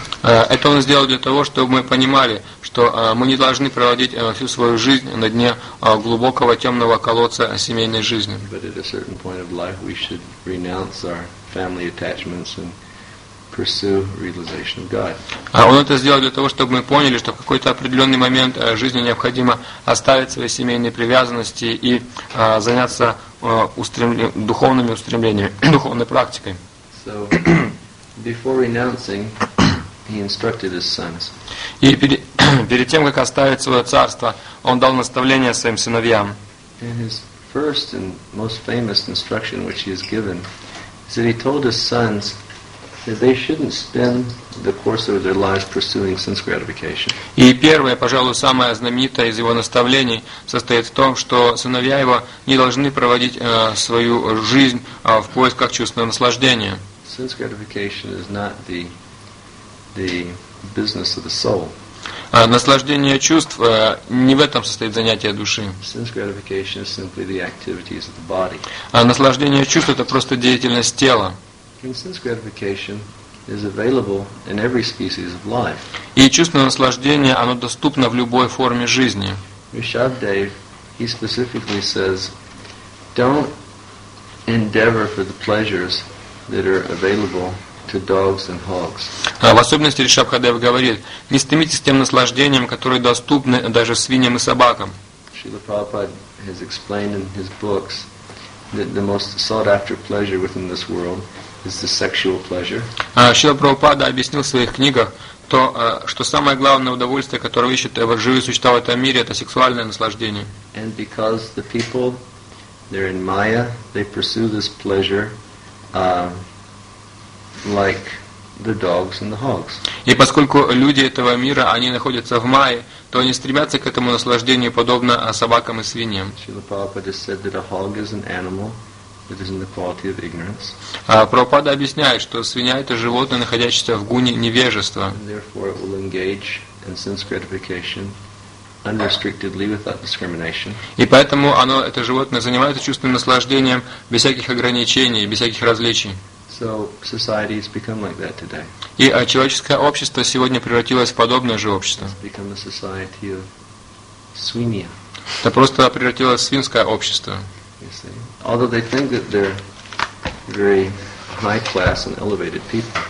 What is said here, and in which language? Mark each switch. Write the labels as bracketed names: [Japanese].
[Russian] Это он сделал для того, чтобы мы понимали, что мы не должны проводить всю свою жизнь на дне глубокого темного колодца семейной жизни. [English] But at a certain point of life, we should renounce our family attachments and pursue realization of God. [Russian] Он это сделал для того, чтобы мы поняли, что в какой-то определенный момент жизни необходимо оставить свои семейные привязанности и заняться духовными устремлениями, духовной практикой. [English] So, before renouncing, he instructed his sons. [Russian] И перед тем, как оставить свое царство, он дал наставление своим сыновьям. [English] And his first and most famous instruction which he has given is that he told his sons that they shouldn't spend the course of their lives pursuing sense gratification. [Russian] И первое, пожалуй, самое знаменитое из его наставлений состоит в том, что сыновья его не должны проводить свою жизнь в поисках чувственного наслаждения. [English] Sense gratification is not the business of the soul. [Russian] Наслаждение чувств не в этом состоит занятие души. [English] Sense gratification is simply the activities of the body. [Russian] Наслаждение чувств — это просто деятельность тела. [English] Sense gratification is available in every species of life. [Russian] И чувственное наслаждение, оно доступно в любой форме жизни. [English] Ришабдев, he specifically says, don't endeavor for the pleasures that are available to dogs and hogs. [Russian] В особенности Ришабхадев говорит, не стремитесь к тем наслаждениям, которые доступны даже свиньям и собакам. [English] Шрила Прабхупада has explained in his books that the most sought after pleasure within this world is the sexual pleasure. [Russian] Шрила Прабхупада объяснил в своих книгах то, что самое главное удовольствие, которое ищет живые существа в этом мире, это сексуальное наслаждение. [English] And because the people, they're in Maya, they pursue this pleasure like the dogs and the hogs. [Russian] И поскольку люди этого мира, они находятся в Майе, то они стремятся к этому наслаждению подобно собакам и свиньям. [English] Шрила Прабхупада said that a hog is an animal that is in the quality of ignorance. [Russian] Прабхупада объясняет, что свинья — это животное, находящееся в гуне невежества. [English] Therefore, it will engage in sense gratification unrestrictedly, without discrimination. [Russian] И поэтому оно, это животное, занимается чувственным наслаждением без всяких ограничений, без всяких различий. [English] So society has become like that today. [Russian] И человеческое общество сегодня превратилось в подобное же общество. [English] It's become a society of swinia. [Russian] Это просто превратилось в свинское общество. [English] You see? Although they think that they're very high class and elevated people.